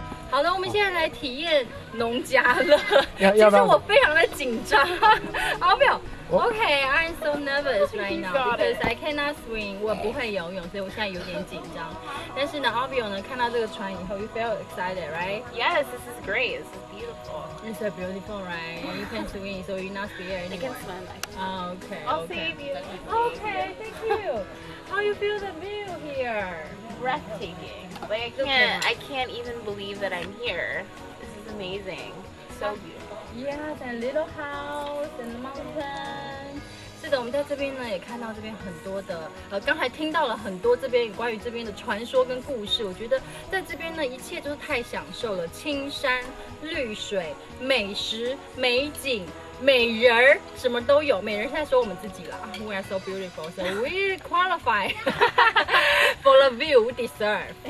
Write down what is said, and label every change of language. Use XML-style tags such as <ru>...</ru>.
<zh>好的，我们现在来体验农家乐。其实我非常的紧张。</zh> <en>OK, I'm so nervous right now because I cannot swim.</en> <zh>我不会游泳，所以我现在有点紧张。但是呢 ，Obvio 呢看到这个船以后 ，</zh> <en>you feel excited, right? Yes, this is great. This is beautiful. It's so beautiful, right? You can swim, so you're not scared anymore. I can swim. Okay. I'll save you. Okay, thank you. How you feel the view here? Breathtaking. Like I can't even believe that I'm here. This is amazing. So beautiful. Yes, and little house and mountain.</en> <zh>是的，我们在这边呢也看到这边很多的，刚才听到了很多这边关于这边的传说跟故事。我觉得在这边呢，一切都是太享受了，青山绿水、美食、美景、美人，什么都有。美人现在说我们自己啦 ，</zh> <en>We are so beautiful, so we qualify for the view we deserve.</en>